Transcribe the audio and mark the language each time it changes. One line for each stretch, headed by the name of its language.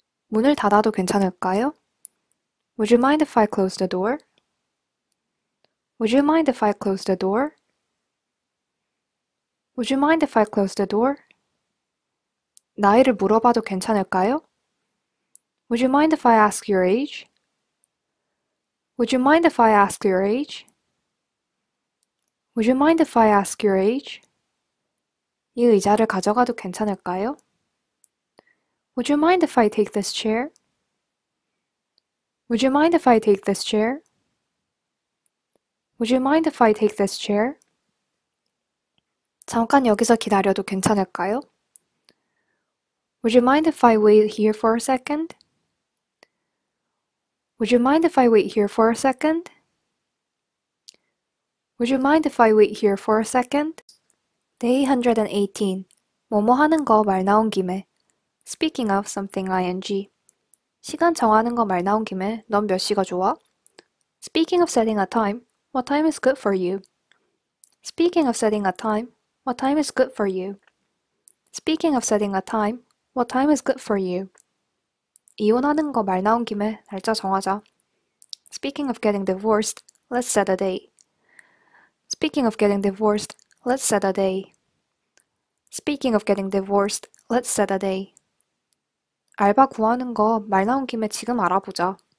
Korean: 문을 닫아도 괜찮을까요?
English: Would you mind if I close the door? Would you mind if I close the door? Would you mind if I close the door?
Korean: 나이를 물어봐도 괜찮을까요?
English: Would you mind if I ask your age? Would you mind if I ask your age? Would you mind if I ask your age?
Korean: 이 의자를 가져가도 괜찮을까요?
English: Would you mind if I take this chair? Would you mind if I take this chair? Would you mind if I take this chair?
Korean: 잠깐 여기서 기다려도 괜찮을까요?
English: Would you mind if I wait here for a second? Would you mind if I wait here for a second? Would you mind if I wait here for a second? Day 118.
Korean: 뭐뭐 하는 거 말 나온 김에.
English: Speaking of something ing.
Korean: 시간 정하는 거 말 나온 김에 넌 몇 시가 좋아?
English: Speaking of setting a time, what time is good for you? Speaking of setting a time, what time is good for you? Speaking of setting a time, what time is good for you?
Korean: 이혼하는 거 말 나온 김에 날짜 정하자.
English: Speaking of getting divorced, let's set a date. Speaking of getting divorced, let's set a day. Speaking of getting divorced, let's set a day.
Korean: 알바 구하는 거 말 나온 김에 지금 알아보자.